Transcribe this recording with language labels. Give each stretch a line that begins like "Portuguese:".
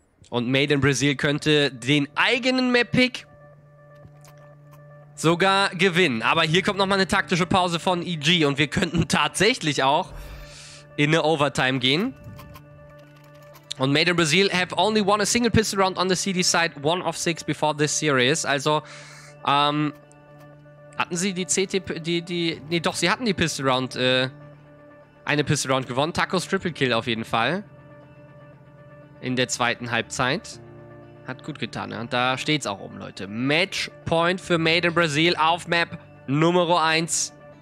German: Und Made in Brazil könnte den eigenen Map-Pick sogar gewinnen. Aber hier kommt nochmal eine taktische Pause von EG und wir könnten tatsächlich auch in eine Overtime gehen.
English: Und Made in Brazil have only won a single pistol round on the CD side, 1 of 6 before this series.
German: Also, hatten sie die CT, sie hatten die Pistol Round, eine Pistol Round gewonnen. Tacos Triple Kill auf jeden Fall. In der zweiten Halbzeit. Hat gut getan, ja. Und da steht's auch oben, Leute. Matchpoint für Made in Brazil auf Map Numero 1.